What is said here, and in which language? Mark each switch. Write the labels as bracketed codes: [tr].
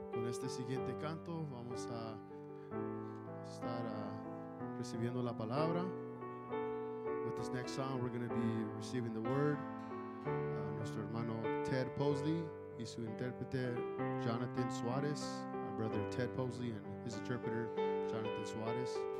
[es] este siguiente canto vamos a estar recibiendo la palabra. [en] With this next song, we're going to be receiving the word. [es] Nuestro hermano Ted Posley y su intérprete Jonathan Suarez. [en] Our brother Ted Posley and his interpreter Jonathan Suarez.